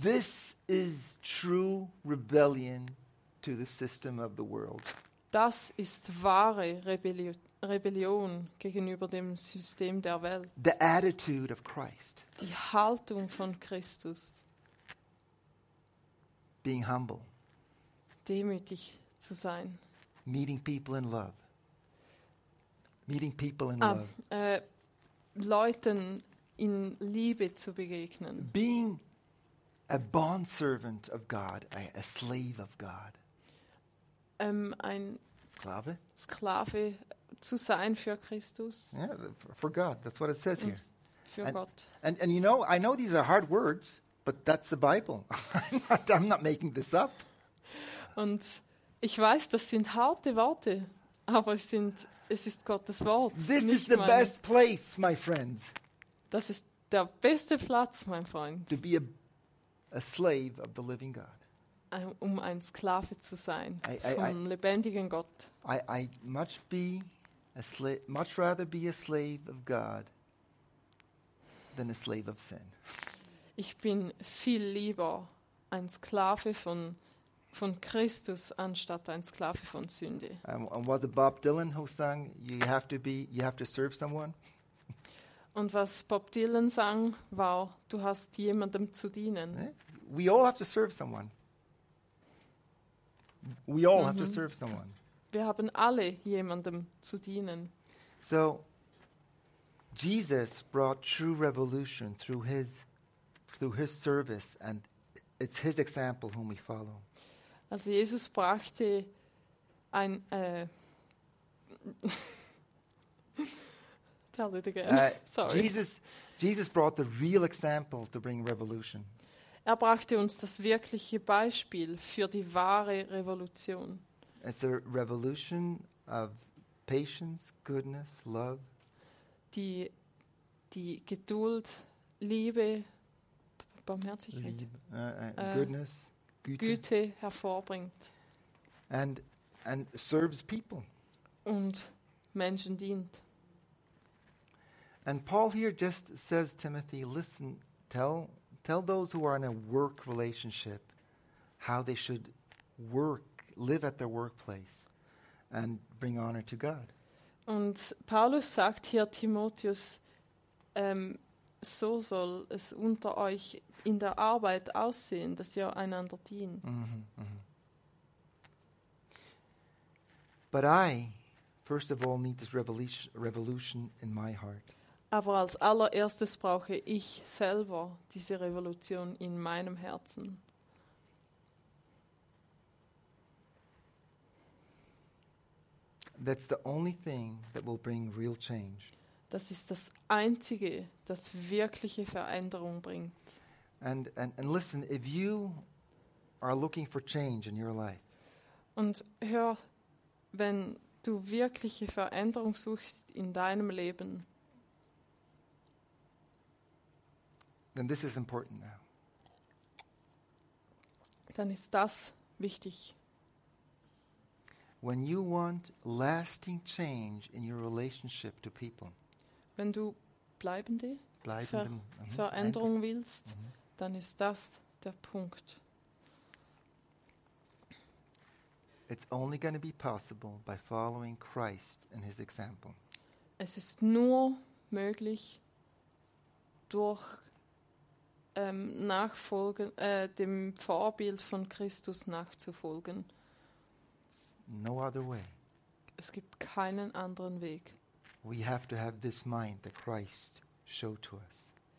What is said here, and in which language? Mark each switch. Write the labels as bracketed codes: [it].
[en] This is true rebellion to the system of the world. [de] Das ist wahre Rebellion gegenüber dem System der Welt. [en] The attitude of Christ. [de] Die Haltung von Christus. [en] Being humble. [de] Demütig zu sein. [en] Meeting people in love. Meeting people in love. [de] Leuten in Liebe zu begegnen. [en] Being a bondservant of God, a slave of God. [de] Ein Sklave. Sklave zu sein für Christus. [en] Yeah, for God. That's what it says here. [de] Für Gott. [en] And you know, I know these are hard words, but that's the Bible. I'm not making this up. [de] Und ich weiß, das sind harte Worte, aber es ist Gottes Wort. [en] This is the best place, my friends. [de] Das ist der beste Platz, mein Freund. [en] To be a slave of the living God. [de] Um ein Sklave zu sein vom lebendigen Gott. [en] I'd much rather be a slave of God than a slave of sin. [de] Ich bin viel lieber ein Sklave von Christus anstatt ein Sklave von Sünde. [en] And was it Bob Dylan who sang, you have to serve someone? [de] Und was Bob Dylan sang, war, du hast jemandem zu dienen. [en] We all have to serve someone. We all have to serve someone. [de] Wir haben alle jemandem zu dienen. [en] So, Jesus brought true revolution through his service, and it's his example whom we follow. [de] Also Jesus brachte ein [en] tell it again. Sorry. Jesus brought the real example to bring revolution. [de] Er brachte uns das wirkliche Beispiel für die wahre Revolution. [en] It's a revolution of patience, goodness, love. [de] Die Geduld, Liebe, Barmherzigkeit, [en] goodness, [de] Güte hervorbringt. [en] And serves people. [de] Und Menschen dient. [en] And Paul here just says, Timothy, listen, tell those who are in a work relationship how they should work, live at their workplace and bring honor to God. [de] Und Paulus sagt hier Timotheus, so soll es unter euch in der Arbeit aussehen, dass ihr einander dient. [en] But I, first of all, need this revolution in my heart. [de] Aber als allererstes brauche ich selber diese Revolution in meinem Herzen. [en] That's the only thing that will bring real change. [de] Das ist das Einzige, das wirkliche Veränderung bringt. [en] And listen, if you are looking for change in your life. [de] Und hör, wenn du wirkliche Veränderung suchst in deinem Leben. [en] Then this is important now. [de] Dann ist das wichtig. [en] When you want lasting change in your relationship to people. [de] Wenn du bleibende Veränderung willst, dann ist das der Punkt. [en] It's only going to be possible by following Christ and his example. [de] Es ist nur möglich durch nachfolgen, dem Vorbild von Christus nachzufolgen. [en] No other way. [de] Es gibt keinen anderen Weg. [en] We have to have this mind that Christ showed to us.